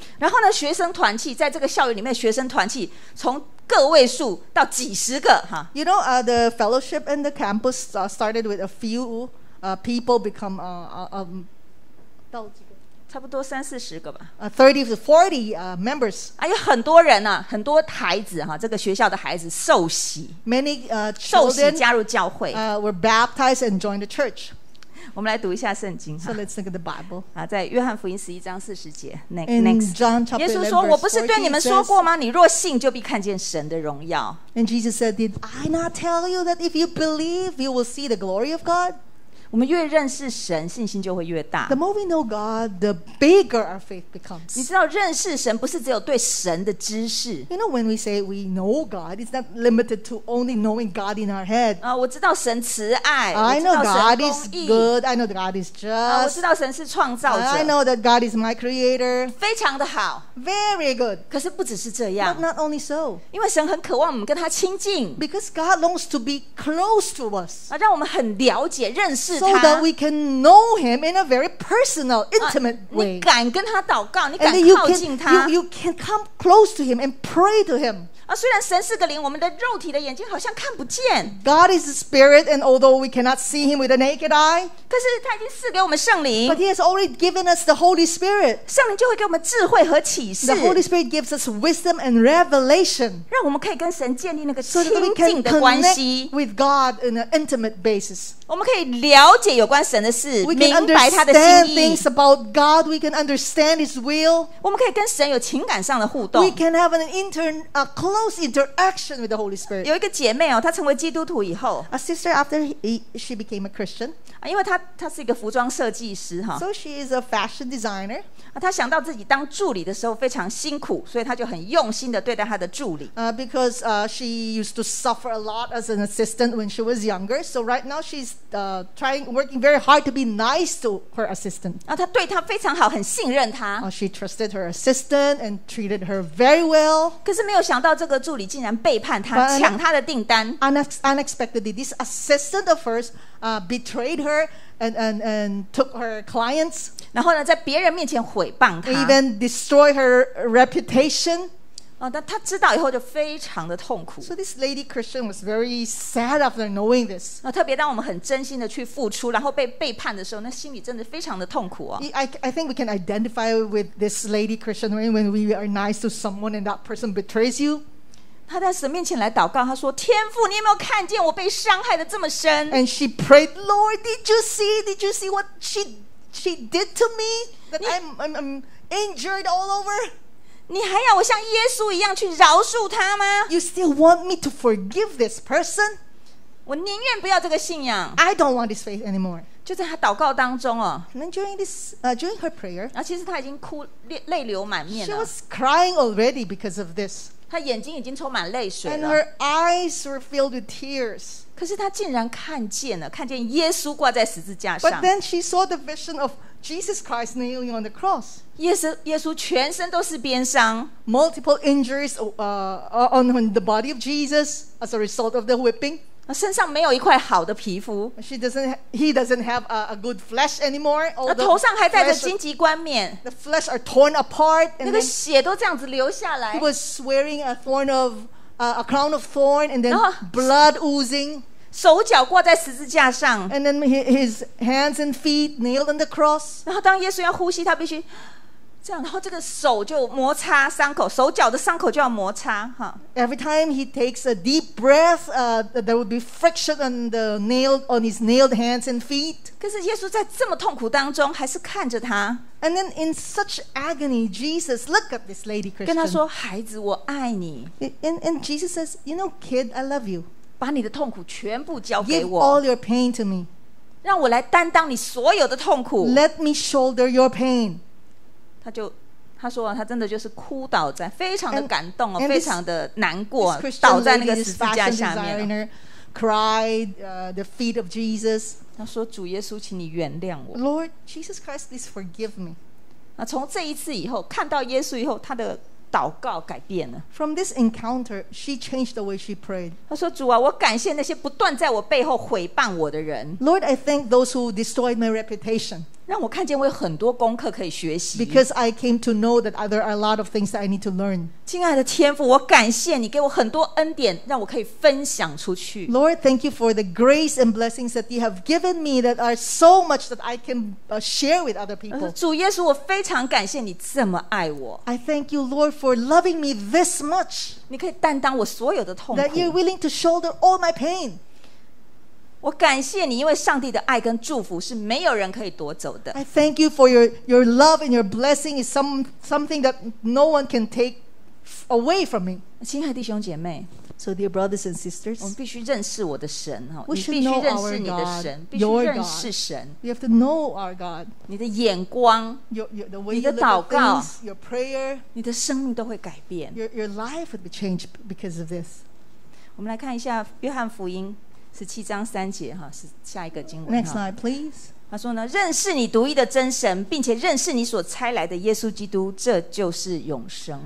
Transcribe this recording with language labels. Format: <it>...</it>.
<zh>然后呢，学生团契在这个校园里面，学生团契从各位数到几十个哈。</zh> <en>You know, the fellowship in the campus started with a few people become</en> <zh>到几个？差不多三四十个吧。</zh> <en>30 to 40members.</en> <zh>啊，有很多人呐、啊，很多孩子哈、啊，这个学校的孩子受洗。</zh> <en>Many children</en> <zh>加入教会。</zh> <en>Were baptized and joined the church.</en> <zh>我们来读一下圣经。</zh> <en>So let's look at the Bible.</en> <zh>啊，在约翰福音十一章四十节。</zh> <en>Next.</en> <zh>耶稣说：“我不是对你们说过吗？你若信，就必看见神的荣耀。”</zh> <en>And Jesus said, "Did I not tell you that if you believe, you will see the glory of God?"</en> <zh>我们越认识神，信心就会越大。</zh> <en>The more we know God, the bigger our faith becomes.</en> <zh>你知道，认识神不是只有对神的知识。</zh> <en>You know, when we say we know God, it's not limited to only knowing God in our head.</en> <zh>啊，我知道神慈爱。</zh> <en>I know God is good. I know God is just.</en> <zh>我知道神是创造者。</zh> <en>I know that God is my creator.</en> <zh>非常的好。</zh> <en>Very good.</en> <zh>可是不只是这样。</zh> <en>But not only so.</en> <zh>因为神很渴望我们跟他亲近。</zh> <en>Because God longs to be close to us.</en> <zh>啊，让我们很了解认识。</zh> <en>So that we can know him in a very personal, intimate way.</en> <zh>你敢跟他祷告，你敢靠近他。</zh> <en>You can come close to him and pray to him.</en> <zh>啊，虽然神是个灵，我们的肉体的眼睛好像看不见。</zh> <en>God is a spirit, and although we cannot see him with the naked eye,</en> <zh>可是他已经赐给我们圣灵。</zh> <en>But he has already given us the Holy Spirit.</en> <zh>圣灵就会给我们智慧和启示。 The Holy Spirit gives us wisdom and revelation. 让我们可以跟神建立那个亲近的关系。</zh> <en>So that we can connect with God in an intimate basis.</en> <zh>我们可以了解有关神的事，明白他的心意。</zh> <en>We can understand things about God. We can understand His will.</en> <zh>我们可以跟神有情感上的互动。</zh> <en>We can have a close interaction with the Holy Spirit.</en> <zh>有一个姐妹哦，她成为基督徒以后</zh> <en>，a sister after she became a Christian.</en> <zh>啊，因为她是一个服装设计师哈</zh> <en>，so she is a fashion designer.</en> <zh>啊，她想到自己当助理的时候非常辛苦，所以她就很用心的对待她的助理。</zh> <en>Because she used to suffer a lot as an assistant when she was younger. So right now she'sworking very hard to be nice to her assistant.</en> <zh>啊，她对她非常好，很信任她。</zh> <en>She trusted her assistant and treated her very well.</en> <zh>可是没有想到这个助理竟然背叛她，抢她的订单。</zh> <en>Unexpectedly, this assistant of hers betrayed her and took her clients.</en> <zh>然后呢，在别人面前毁谤她。</zh> <en>Even destroyed her reputation.</en> <zh>但他知道以后就非常的痛苦。</zh> <en>So this lady Christian was very sad after knowing this.</en> <zh>特别当我们很真心的去付出，然后被背叛的时候，那心里真的非常的痛苦哦。</zh> <en>I think we can identify with this lady Christian when we are nice to someone and that person betrays you.</en> <zh>他在神面前来祷告，他说：“天父，你有没有看见我被伤害的这么深</zh> <en>？”And she prayed, Lord, did you see what she did to me? That I'm injured all over.</en> <zh>你还要我像耶稣一样去饶恕他吗</zh> <en>？You still want me to forgive this person？</en> <zh>我宁愿不要这个信仰。</zh> <en>I don't want this faith anymore。</en> <zh>就在他祷告当中哦。</zh> <en>And then during her prayer，</en> <zh>其实他已经哭泪流满面了。</zh> <en>She was crying already because of this。</en> <zh>他眼睛已经充满泪水了。</zh> <en>And her eyes were filled with tears。</en> <zh>可是他竟然看见了，看见耶稣挂在十字架上。</zh> <en>But then she saw the vision of Jesus Christ kneeling on the cross。</en> <zh>耶稣全身都是鞭伤</zh> <en>，multiple injuries on the body of Jesus as a result of the whipping。</en> <zh>身上没有一块好的皮肤。</zh> <en>She doesn't, he doesn't have a good flesh anymore.</en> <zh>那头上还带着荆棘冠冕。</zh> <en>The flesh are torn apart.</en> <zh>那个血都这样子流下来。</zh> <en>He was wearing a thorn of a crown of thorn, and then blood oozing.</en> <zh>手脚挂在十字架上。</zh> <en>And then his hands and feet nailed on the cross.</en> <zh>然后当耶稣要呼吸，他必须这样，然后这个手就摩擦伤口，手脚的伤口就要摩擦。</zh> <en>Every time he takes a deep breath, there will be friction on the nail on his nailed hands and feet.</en> <zh>可是耶稣在这么痛苦当中，还是看着他。</zh> <en>And then in such agony, Jesus look at this lady Christian.</en> <zh>跟他说：“孩子，我爱你。”</zh> <en>And Jesus says, "You know, kid, I love you."</en> <zh>把你的痛苦全部交给我。</zh> <en>Give all your pain to me.</en> <zh>让我来担当你所有的痛苦。</zh> <en>Let me shoulder your pain.</en> <zh>他说他真的就是哭倒在非常的感动</zh> <en>and</en> <zh>非常的难过倒在那个十字架下面</zh> <en>designer, cried the feet of Jesus</en> <zh>他说主耶稣请你原谅我</zh> <en>Lord Jesus Christ please forgive me</en> <zh>那从这一次以后看到耶稣以后他的祷告改变了</zh> <en>From this encounter she changed the way she prayed</en> <zh>他说主啊我感谢那些不断在我背后毁谤我的人</zh> <en>Lord I thank those who destroyed my reputation</en> <zh>让我看见我有很多功课可以学习</zh> <en>Because I came to know that there are a lot of things that I need to learn</en> <zh>亲爱的天父我感谢你给我很多恩典让我可以分享出去</zh> <en>Lord thank you for the grace and blessings that you have given me that are so much that I can share with other people</en> <zh>主耶稣我非常感谢你这么爱我</zh> <en>I thank you Lord for loving me this much</en> <zh>你可以担当我所有的痛苦</zh> <en>That you're willing to shoulder all my pain</en> <zh>我感谢你因为上帝的爱跟祝福是没有人可以夺走的</zh> <en>I thank you for your love and your blessing is something that no one can take away from me</en> <zh>亲爱的弟兄姐妹</zh> <en>So dear brothers and sisters</en> <zh>我们必须认识我的神</zh> <en>We should know our God Your God</en> <zh>必须认识神</zh> <en>We have to know our God</en> <zh>你的眼光</zh> <en>The way</en> <zh>你的祷告</zh> <en>Your prayer</en> <zh>你的生命都会改变</zh> <en>Your life would be changed because of this</en> <zh>我们来看一下约翰福音十七章三节是下一个经文</zh> <en>Next slide please</en> <zh>他说呢认识你独一的真神并且认识你所差来的耶稣基督这就是永生</zh>